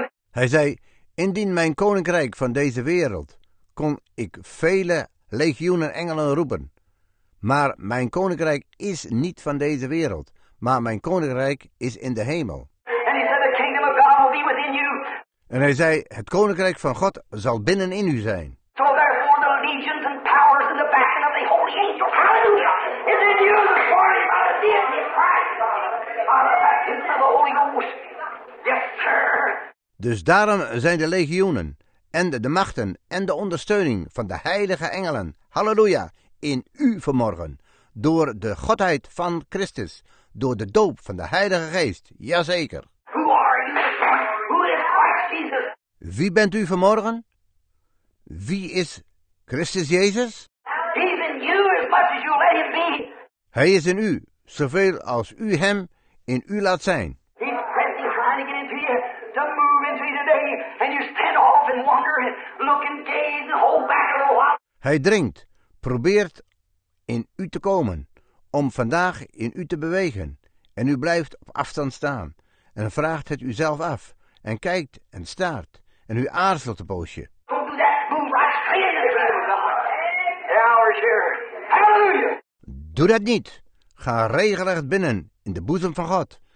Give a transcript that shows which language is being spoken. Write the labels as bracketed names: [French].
[Dutch] Hij zei, indien mijn koninkrijk van deze wereld, kon ik vele legioenen engelen roepen. Maar mijn koninkrijk is niet van deze wereld. Maar mijn koninkrijk is in de hemel. [English] And he said, the kingdom of God will be within you. [Dutch] En hij zei, het koninkrijk van God zal binnenin u zijn. [English] So therefore the legions and powers in the back of the holy angel, hallelujah, is in you, the glory of the deity of Christ, the baptism of the Holy Ghost. Yes, sir. [Dutch] Dus daarom zijn de legioenen en de machten en de ondersteuning van de heilige engelen, halleluja, in u vanmorgen, door de Godheid van Christus, door de doop van de Heilige Geest, jazeker. [English] Who are you? Who is Christ Jesus? [Dutch] Wie bent u vanmorgen? Wie is Christus Jezus? [English] He's in you as much as you let him be. [Dutch] Hij is in u, zoveel als u hem in u laat zijn. [English] He's pressing, trying to get into you, to move into you today, and you stand off and wonder, and look and gaze and hold back a little while. [Dutch] Hij dringt, probeert in u te komen, om vandaag in u te bewegen. En u blijft op afstand staan. En vraagt het uzelf af. En kijkt en staart. En u aarzelt een poosje. [English] Don't do that. Move right straight into the kingdom of God. Lord's here. Hallelujah! [Dutch] Doe dat niet. Ga regelrecht binnen in de boezem van God.